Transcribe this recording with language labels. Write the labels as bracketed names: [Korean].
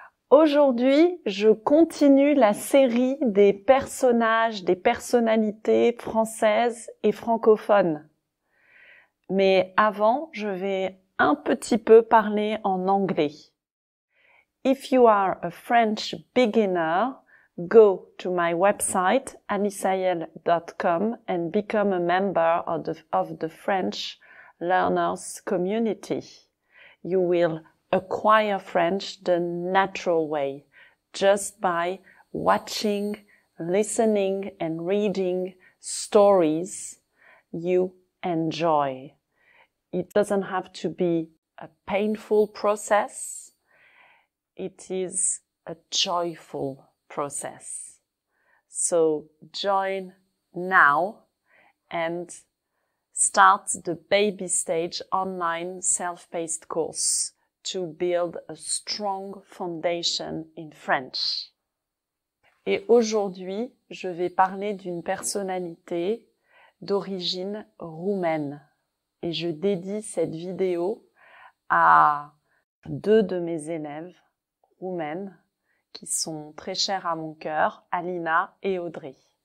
[French] Aujourd'hui, je continue la série des personnages, des personnalités françaises et francophones. Mais avant, je vais un petit peu parler en anglais. [English] If you are a French beginner, go to my website alissayel.com and become a member of the French learners community. You will acquire French the natural way, just by watching, listening and reading stories you enjoy. It doesn't have to be a painful process, it is a joyful process. So join now and start the baby stage online self-paced course to build a strong foundation in French. [French] Et aujourd'hui, je vais parler d'une personnalité d'origine roumaine. Et je dédie cette vidéo à deux de mes élèves roumaines qui sont très chères à mon cœur, Alina et Audrey.